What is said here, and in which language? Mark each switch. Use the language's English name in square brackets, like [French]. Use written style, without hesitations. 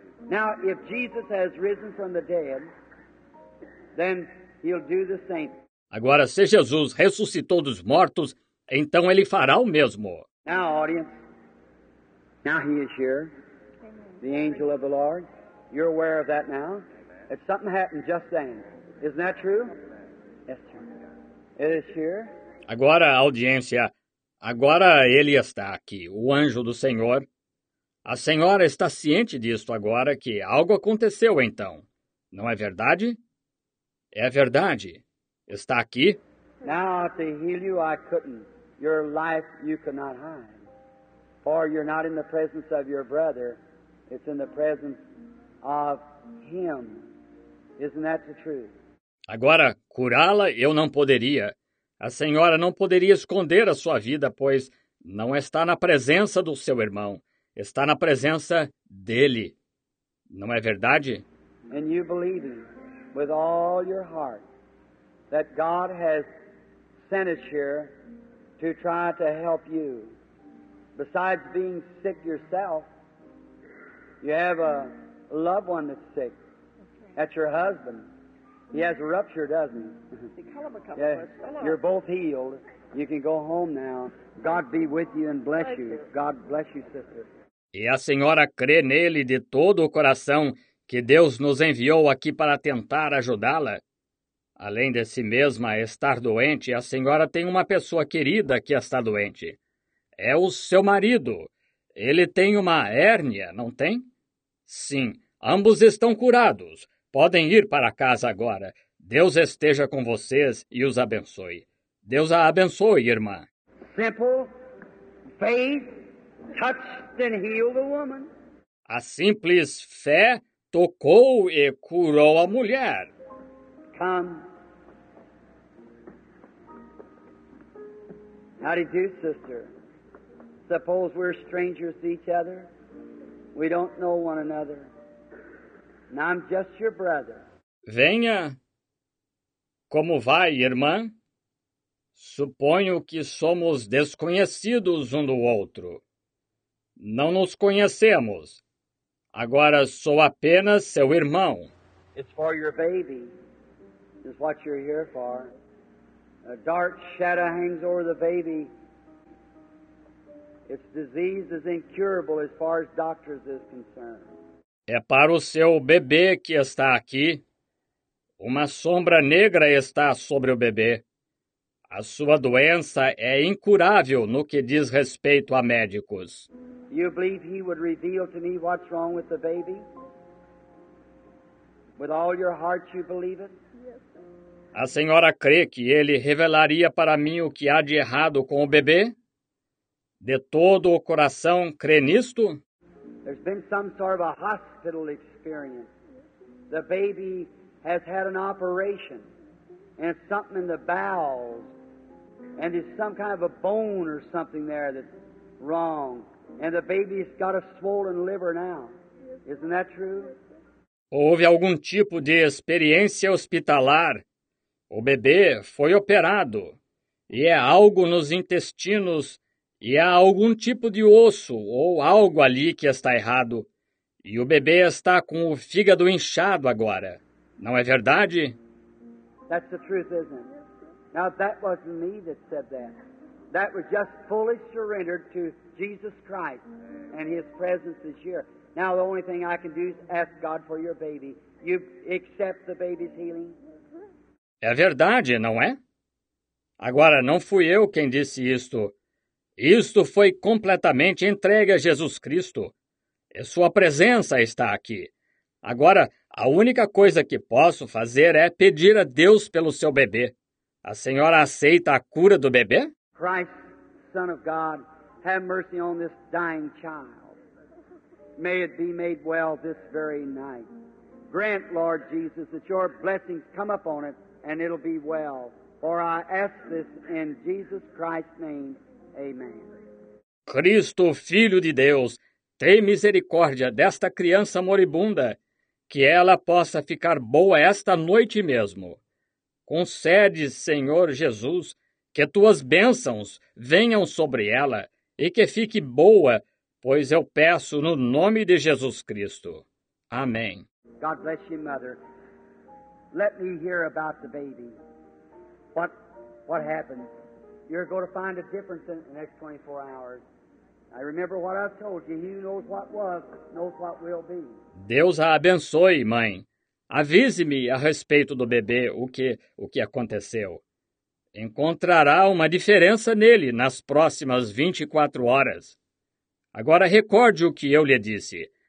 [English] Now, if Jesus has risen from the dead, then he'll do the same. [Portuguese] Agora, se Jesus ressuscitou dos mortos, então ele fará o mesmo. [English] Now, audience, now he is here. The angel of the Lord. You're aware of that now? If something happened just then, isn't that true? Yes, sir. It is here. [Portuguese] Agora, audiência, agora ele está aqui, o anjo do Senhor. A senhora está ciente disto agora que algo aconteceu então. Não é verdade? É verdade. Está aqui? [English] Now, to heal you, I couldn't. Your life you cannot hide. For you're not in the presence of your brother. It's in the presence of him. Isn't that the truth? [Portuguese] Agora, curá-la eu não poderia. A senhora não poderia esconder a sua vida, pois não está na presença do seu irmão. Está na presença dele. Não é verdade? [English] And you believe with all your heart that God has sent us here to try to help you. Besides being sick yourself, you have a loved one that's sick. That's your husband. He has a rupture, doesn't he? Yeah. You're both healed. You can go home now. God be with you and bless you. God bless you, sister. [Portuguese] E a senhora crê nele de todo o coração que Deus nos enviou aqui para tentar ajudá-la? Além de si mesma estar doente, a senhora tem uma pessoa querida que está doente. É o seu marido. Ele tem uma hérnia, não tem? Sim, ambos estão curados. Podem ir para casa agora. Deus esteja com vocês e os abençoe. Deus a abençoe, irmã. [English] Simple faith touched and healed the woman. [Portuguese] A simples fé tocou e curou a mulher. [English] Come. How do you do, sister? Suppose we're strangers to each other. We don't know one another. And I'm just your brother. [Portuguese] Venha. Como vai, irmã? Suponho que somos desconhecidos um do outro. Não nos conhecemos. Agora sou apenas seu irmão. [English] It's for your baby. It's what you're here for. A dark shadow hangs over the baby. Its disease is incurable as far as doctors is concerned. [Portuguese] É para o seu bebê que está aqui. Uma sombra negra está sobre o bebê. A sua doença é incurável no que diz respeito a médicos. [English] You believe he would reveal to me what's wrong with the baby? With all your heart you believe it? [Portuguese] A senhora crê que ele revelaria para mim o que há de errado com o bebê? De todo o coração, crê nisto? [English] There's been some sort of a hospital experience. The baby has had an operation and something in the bowels, and there's some kind of a bone or something there that's wrong, and the baby's got a swollen liver now. Isn't that true? [Portuguese] Houve algum tipo de experiência hospitalar. O bebê foi operado, e é algo nos intestinos, e há algum tipo de osso ou algo ali que está errado. E o bebê está com o fígado inchado agora. Não é verdade? [English] That's the truth, isn't it? Now, that wasn't me that said that. That was just fully surrendered to Jesus Christ and His presence is here. Now, the only thing I can do is ask God for your baby. You accept the baby's healing? [Portuguese] É verdade, não é? Agora, não fui eu quem disse isto. Isto foi completamente entregue a Jesus Cristo. E sua presença está aqui. Agora, a única coisa que posso fazer é pedir a Deus pelo seu bebê. A senhora aceita a cura do bebê? [English] Christ, Son of God, have mercy on this dying child. May it be made well this very night. Grant, Lord Jesus, that your blessings come upon it and it'll be well. For I ask this in Jesus Christ's name. Amen. [Portuguese] Cristo, Filho de Deus, tem misericórdia desta criança moribunda, que ela possa ficar boa esta noite mesmo. Concede, Senhor Jesus, que tuas bênçãos venham sobre ela e que fique boa, pois eu peço no nome de Jesus Cristo. Amém. [English] God bless you, Mother. Let me hear about the baby. What happened? You're going to find a difference in the next 24 hours. I remember what I told you. He who knows what was, knows what will be. [Portuguese] Deus a abençoe, mãe. Avise-me a respeito do bebê o que aconteceu. Encontrará uma diferença nele nas próximas 24 horas. Agora recorde o que eu lhe disse.